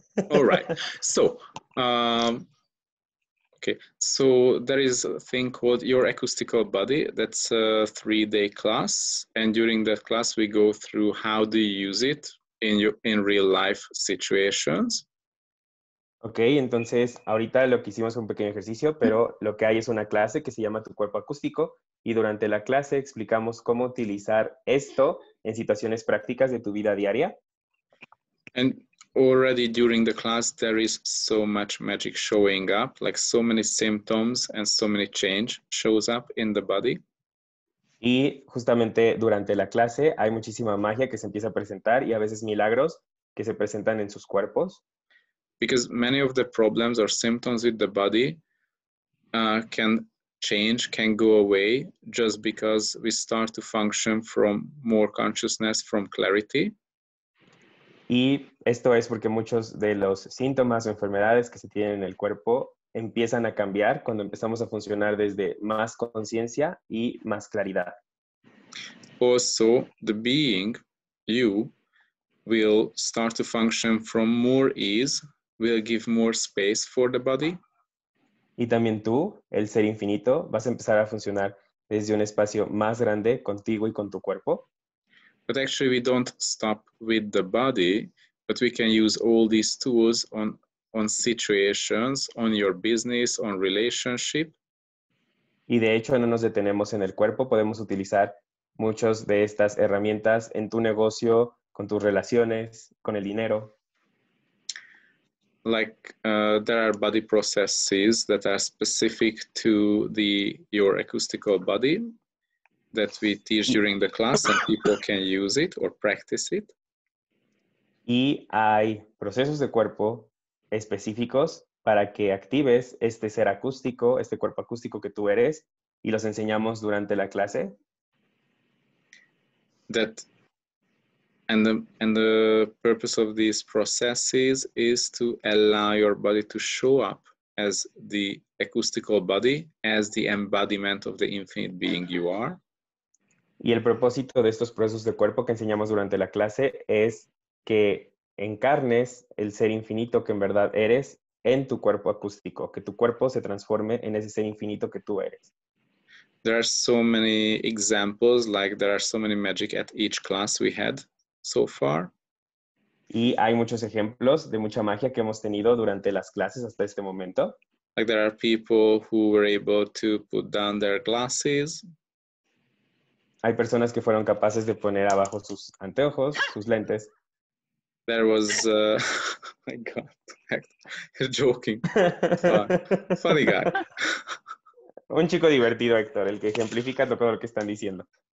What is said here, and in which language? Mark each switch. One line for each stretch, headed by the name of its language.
English: All right. So, okay. So there is a thing called your acoustical body. That's a 3-day class, and during that class, we go through how do you use it in real life situations. Okay.
Spanish: Entonces, ahorita lo que hicimos fue un pequeño ejercicio, pero lo que hay es una clase que se llama tu cuerpo acústico, y durante la clase explicamos cómo utilizar esto en situaciones prácticas de tu vida diaria.
English: And already during the class, there is so much magic showing up, like so many symptoms and so many change shows up in the body.
Spanish: Y justamente durante la clase hay muchísima magia que se empieza a presentar y a veces milagros que se presentan en sus cuerpos.
English: Because many of the problems or symptoms with the body can change, can go away just because we start to function from more consciousness, from clarity.
Spanish: Y esto es porque muchos de los síntomas o enfermedades que se tienen en el cuerpo empiezan a cambiar cuando empezamos a funcionar desde más conciencia y más claridad.
English: Also, the being, you, will start to function from more ease, will give more space for the body.
Spanish: Y también tú, el ser infinito, vas a empezar a funcionar desde un espacio más grande contigo y con tu cuerpo.
English: But actually, we don't stop with the body, but we can use all these tools on situations, on your business, on relationship.
Spanish: Y de hecho, no nos detenemos en el cuerpo. Podemos utilizar muchas de estas herramientas en tu negocio, con tus relaciones, con el dinero.
English: Like there are body processes that are specific to your acoustical body. That we teach during the class and people can use it or practice it.
Spanish: Y hay procesos de cuerpo específicos para que actives este ser acústico, este cuerpo acústico que tú eres, y los enseñamos durante la clase.
English: That And the purpose of these processes is to allow your body to show up as the acoustical body, as the embodiment of the infinite being you are.
Spanish: Y el propósito de estos procesos de cuerpo que enseñamos durante la clase es que encarnes el ser infinito que en verdad eres en tu cuerpo acústico, que tu cuerpo se transforme en ese ser infinito que tú eres.
English: There are so many examples, like there are so many magic at each class we had so far.
Spanish: Y hay muchos ejemplos de mucha magia que hemos tenido durante las clases hasta este momento.
English: Like there are people who were able to put down their glasses.
Spanish: Hay personas que fueron capaces de poner abajo sus anteojos, sus lentes.
English: There was, my God, you're joking. Funny guy.
Spanish: Un chico divertido, Héctor, el que ejemplifica todo lo que están diciendo.